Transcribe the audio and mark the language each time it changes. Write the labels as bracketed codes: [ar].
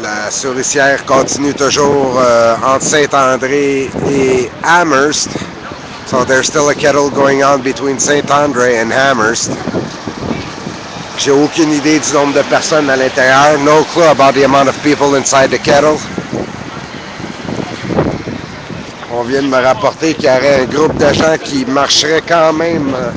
[fr] Souricière continue toujours entre Saint-André et Amherst. [en] So there's still a kettle going on between Saint-André and Amherst. [fr] J'ai aucune idée du nombre de personnes à l'intérieur. [en] No clue about the amount of people inside the kettle. [fr] On vient de me rapporter qu'il y aurait un groupe de gens qui marcherait quand même.